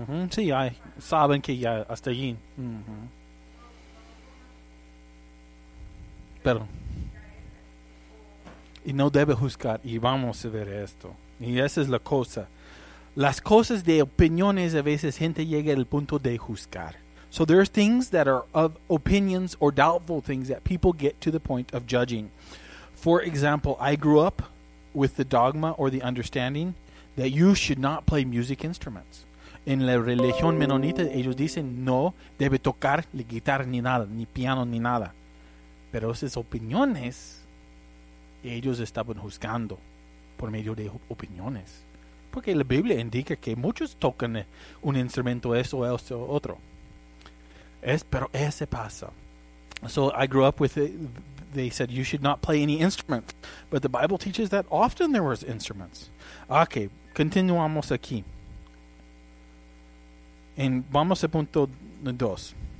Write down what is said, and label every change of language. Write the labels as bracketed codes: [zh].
[es] Sí, hay, saben que ya hasta allí. Pero y no debe juzgar, y vamos a ver esto, y esa es la cosa, las cosas de opiniones, a veces gente llega al punto de juzgar. [en] So there are things that are of opinions or doubtful things that people get to the point of judging. For example, I grew up with the dogma or the understanding that you should not play music instruments. [es] En la religión menonita ellos dicen no debe tocar la guitarra ni nada, ni piano ni nada. Pero esas opiniones, ellos estaban juzgando por medio de opiniones. Porque la Biblia indica que muchos tocan un instrumento, eso, esto, otro. Es, pero ese pasa. [en] So I grew up with it. They said you should not play any instrument. But the Bible teaches that often there were instruments. [es] Okay, continuamos aquí. And vamos a punto dos.